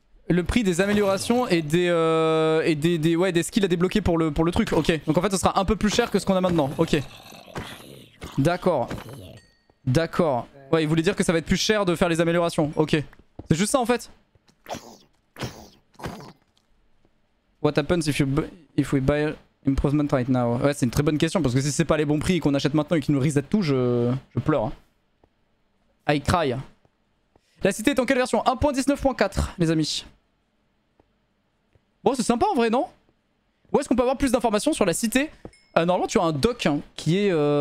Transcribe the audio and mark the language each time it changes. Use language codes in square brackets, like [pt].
[fr] Le prix des améliorations et des skills à débloquer pour le truc, ok. Donc en fait ce sera un peu plus cher que ce qu'on a maintenant, ok. D'accord. Ouais, il voulait dire que ça va être plus cher de faire les améliorations, ok. C'est juste ça en fait. [en] What happens if we buy improvement right now? [fr] Ouais, c'est une très bonne question parce que si c'est pas les bons prix qu'on achète maintenant et qu'ils nous risent à tout, je pleure. [en] I cry. [fr] La cité est en quelle version? 1.19.4 les amis. Bon, c'est sympa en vrai, non? Où est-ce qu'on peut avoir plus d'informations sur la cité? Normalement, tu as un doc qui est...